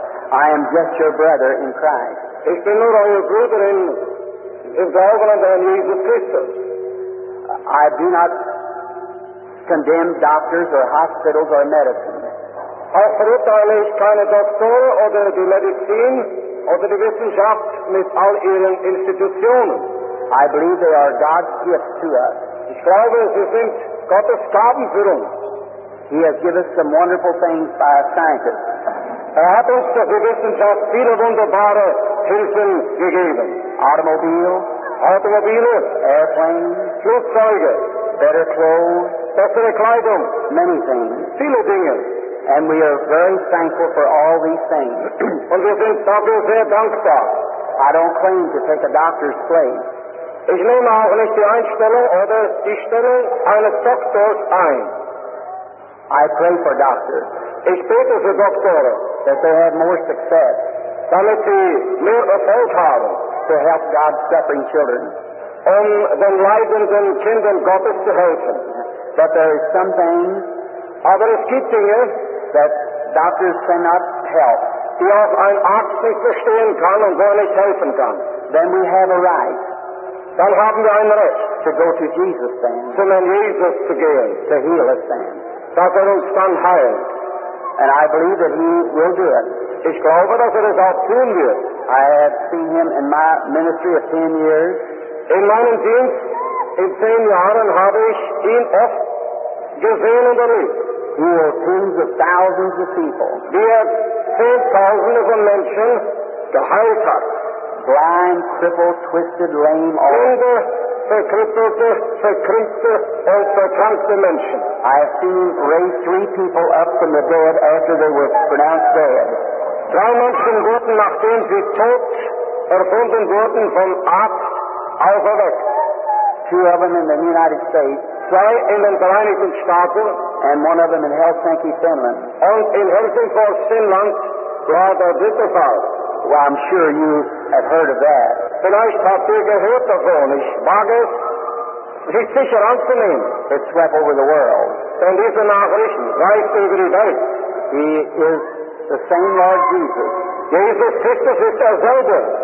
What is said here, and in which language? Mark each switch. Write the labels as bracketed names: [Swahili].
[English] I am just your brother in Christ. [German] Ich bin nur euer Bruder im Glauben an den Jesus Christus. [English] I do not condemn doctors or hospitals or medicine. [German] Ich verurteile keine Doktor oder die Medizin oder die Wissenschaft mit all ihren Institutionen. [English] I believe they are God's gift to us. [German] Ich glaube, sie sind Gottes Gaben für uns. [English] He has given us some wonderful things by our scientists. [German] Er hat uns durch die Wissenschaft viele wunderbare Hilfen gegeben. [English] Automobile, airplane, [German] Flugzeuge, [English] better clothes, [German] bessere Kleidung, [English] many things, [German] viele Dinge. [English] And we are very thankful for all these things. [German] Und wir sind dafür sehr dankbar. [English] I don't claim to take a doctor's place. [German] Ich nehme auch nicht die Einstellung oder die Stellung eines Doktors ein. [English] I pray for doctors. [German] Ich bete für Doktoren. [English] That they have more success. [German] Damit sie mehr Erfolg haben. [English] To help God's suffering children. [German] Um den leidenden Kindern Gottes zu helfen. [English] But there is some things. [German] Aber es gibt Dinge. [English] That doctors cannot help. [German] Die auch ein Arzt nicht verstehen kann und gar nicht helfen kann. [English] Then we have a right. [German] Dann haben wir ein Recht. [English] To go to Jesus then. [German] Zu den Jesus zu gehen. [English] To heal us then. [German] Dass uns dann heilt. [English] And I believe that he will do it. [German] Ich glaube, dass das auch tun wird. [English] I have seen him in my ministry of 10 years. [German] In meinem Dienst in 10 Jahren habe ich ihn oft gesehen und erlebt. [English] He healed tens of thousands of people. [German] Wie zehn Tausende von Menschen geheilt hat. [English] Blind, crippled, twisted, lame, all. [German] Blinde, verkrüppelte, verkrüppelte und verkrankte Menschen. [English] I have seen him raise 3 people up from the dead after they were pronounced dead. [German] Drei Menschen wurden, nachdem sie tot erfunden wurden, vom Arzt auferweckt. [English] 2 of them in the United States. [German] 2 in den Vereinigten Staaten. [English] And 1 of them in Helsinki, Finland. [German] Und in Helsingfors, Finland, war der dritte Fall. [English] Well, I'm sure you have heard of that. [German] Vielleicht habt ihr gehört davon. Ich wage es, sich sicher anzunehmen. [English] It swept over the world. [German] Denn diese Nachricht reicht über die Welt. [English] He is the same Lord Jesus. [German] Jesus Christus ist derselbe.